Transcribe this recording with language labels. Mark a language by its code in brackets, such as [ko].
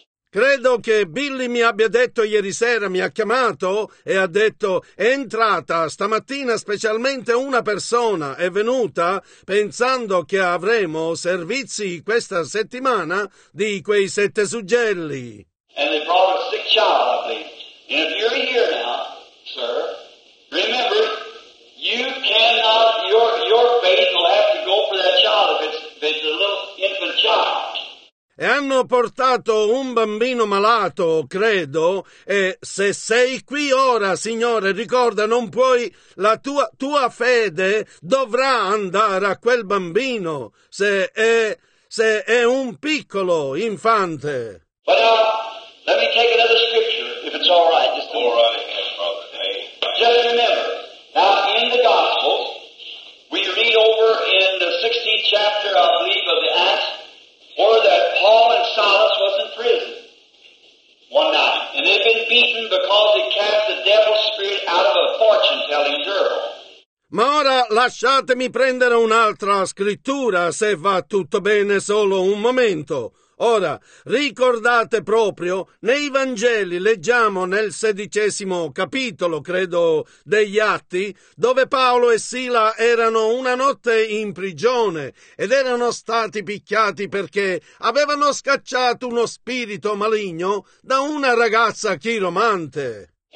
[it] Credo che Billy mi abbia detto ieri sera, mi ha chiamato e ha detto, è entrata stamattina specialmente una persona, è venuta pensando che avremo servizi questa settimana di quei sette suggelli. [en] And they brought a sick child, I believe. And if you're here now, sir, remember, you cannot, your faith will have to go for that child if it's a little infant child. [it] E hanno portato un bambino malato, credo, e se sei qui ora, Signore, ricorda, non puoi, la tua fede dovrà andare a quel bambino, se è un piccolo infante. [en] Well, let me take another scripture, if it's all right. Just all right. Just remember, now in the gospel, we read over in the 16th chapter, I believe, of the Acts, or that Paul and Silas was in prison one night, and they've been beaten because they cast the devil's spirit out of a fortune-telling girl. [it] Ma ora lasciatemi prendere un'altra scrittura, se va tutto bene, solo un momento. Ora, ricordate proprio, nei Vangeli leggiamo nel 16° capitolo, credo, degli Atti, dove Paolo e Sila erano una notte in prigione ed erano stati picchiati perché avevano scacciato uno spirito maligno da una ragazza chiromante.